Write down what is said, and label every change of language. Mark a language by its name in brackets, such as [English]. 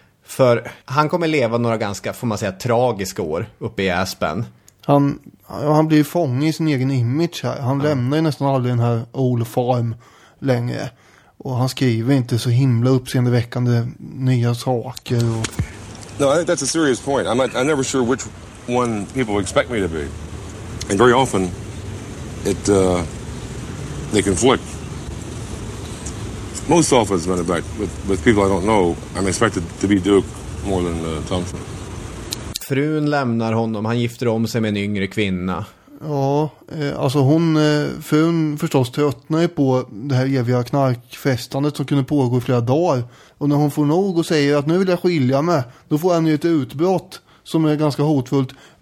[Swedish] För han kommer leva några ganska, får man säga, tragiska år uppe i Aspen. Han blir ju fångig i sin egen image här. Han lämnar ju nästan aldrig den här [English] old farm [Swedish] längre. Och han skriver inte så himla uppseendeväckande nya saker. Och... [English] No, I think that's a serious point. I'm never sure which one people expect me to be. And very often, they conflict. Most often, as a matter of fact, with people I don't know, I'm expected to be Duke more than Thompson. [Swedish] Frun lämnar honom, han gifter om sig med en yngre kvinna. Ja, alltså hon, frun förstås tröttnar ju på det här eviga knarkfestandet som kunde pågå i flera dagar. Och när hon får nog och säger att nu vill jag skilja mig, då får han ju ett utbrott som är ganska hotfullt.